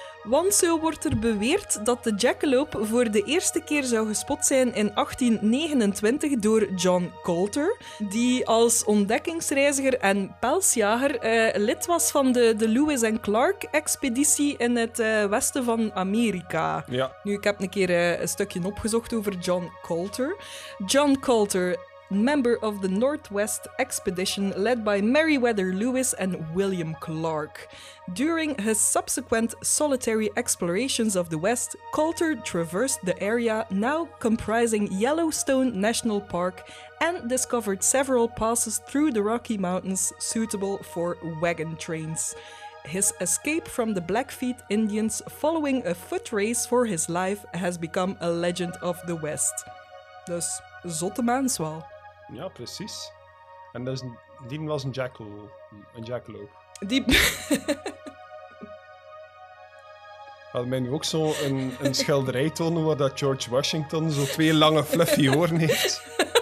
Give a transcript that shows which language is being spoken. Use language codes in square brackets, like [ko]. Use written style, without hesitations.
[nl] Want zo wordt er beweerd dat de jackalope voor de eerste keer zou gespot zijn in 1829 door John Coulter, die als ontdekkingsreiziger en pelsjager lid was van de Lewis en Clark expeditie in het westen van Amerika. Ja. Nu, ik heb een keer een stukje opgezocht over John Coulter. [en] John Coulter, member of the Northwest Expedition led by Meriwether Lewis and William Clark. During his subsequent solitary explorations of the West, Coulter traversed the area now comprising Yellowstone National Park and discovered several passes through the Rocky Mountains suitable for wagon trains. His escape from the Blackfeet Indians following a foot race for his life has become a legend of the West. [nl] Dus, zotte mens wel. Ja, precies. En dat is een, die was een jackal, een jackaloop. Die... Had mij nu ook zo een schilderij tonen waar dat George Washington zo twee lange fluffy hoorn heeft.